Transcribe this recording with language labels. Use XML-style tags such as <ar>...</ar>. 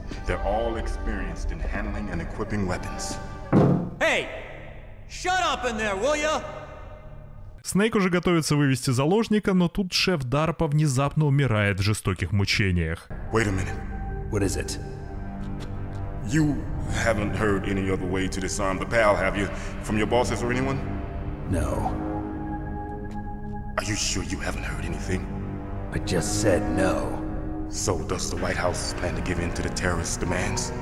<en>They're all experienced in handling and equipping weapons. Hey! Shut up in there, will ya?</en> <ru>Снейк уже готовится вывести заложника, но тут шеф DARPA внезапно умирает в жестоких мучениях.</ru> <en>Wait a minute. What is it? You haven't heard any other way to disarm the PAL, have you? From your bosses or anyone? No. Are you sure you haven't heard anything? I just said no. So, does the White House plan to give in to the terrorists' demands?</en>